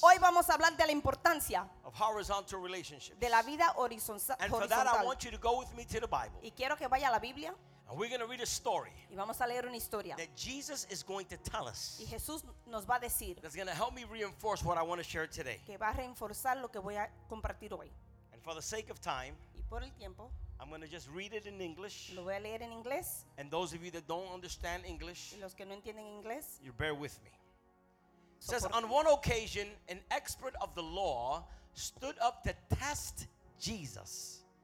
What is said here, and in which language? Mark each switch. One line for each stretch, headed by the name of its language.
Spanish: Hoy vamos a hablar de la importancia.
English: Of horizontal relationships.
Spanish: De la vida horizontal.
English: And for that, I want you to go with me to the Bible.
Spanish: Y quiero que vaya a la Biblia.
English: And we're going to read a story.
Spanish: Y vamos a leer una historia.
English: That Jesus is going to tell us.
Spanish: Y Jesús nos va a decir.
English: That's going to help me reinforce what I want to share today.
Spanish: Que va a reforzar lo que voy a compartir hoy.
English: And for the sake of time,
Spanish: y por el tiempo,
English: I'm going to just read it in English.
Spanish: Lo voy a leer en inglés.
English: And those of you that don't understand English,
Spanish: y los que no entienden inglés,
English: you bear with me. It says, on one occasion, an expert of the law stood up to test Jesus.